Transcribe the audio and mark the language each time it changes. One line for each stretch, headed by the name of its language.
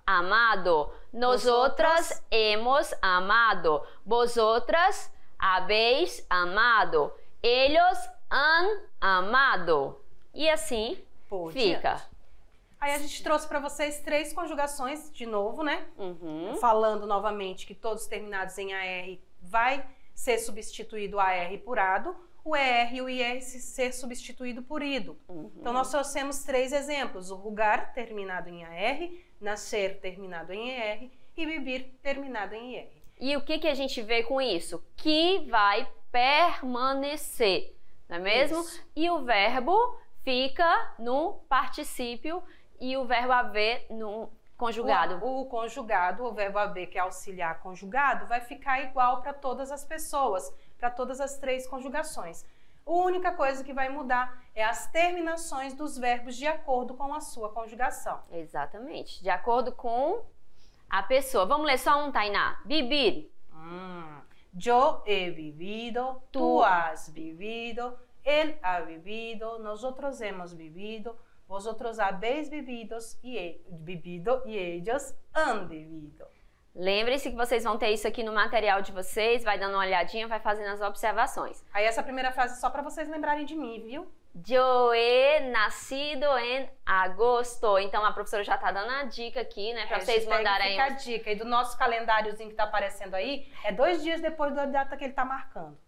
Spanish: amado, nosotras hemos amado, vosotras habéis amado, ellos han amado.
Portuguese: E assim por fica. Diante. Aí a gente trouxe para vocês três conjugações de novo, né? Uhum. Falando novamente que todos terminados em AR vai ser substituído AR por ado, o ER e o IR ser substituído por ido. Uhum. Então nós trouxemos três exemplos, o rugar terminado em AR, nascer terminado em ER e vivir terminado em IR. E o que, que a gente vê com isso? Que vai permanecer, não é mesmo? Isso. E o verbo fica no particípio e o verbo haver no conjugado. O conjugado, o verbo haver que é auxiliar conjugado, vai ficar igual para todas as pessoas, para todas as três conjugações. A única coisa que vai mudar é as terminações dos verbos de acordo com a sua conjugação. Exatamente, de acordo com... a pessoa. Vamos ler só um, Tainá. Vivir.
Spanish: Yo he vivido, tú has vivido, él ha vivido, nosotros hemos vivido, vosotros habéis vivido e ellos han vivido.
Portuguese: Lembre-se que vocês vão ter isso aqui no material de vocês, vai dando uma olhadinha, vai fazendo as observações. Aí essa primeira frase é só para vocês lembrarem de mim, viu?
Spanish: Yo he nascido em agosto.
Portuguese: Então a professora já tá dando a dica aqui, né? Pra vocês mandarem aí. Fica a dica. E do nosso calendáriozinho que tá aparecendo aí, é 2 dias depois da data que ele tá marcando.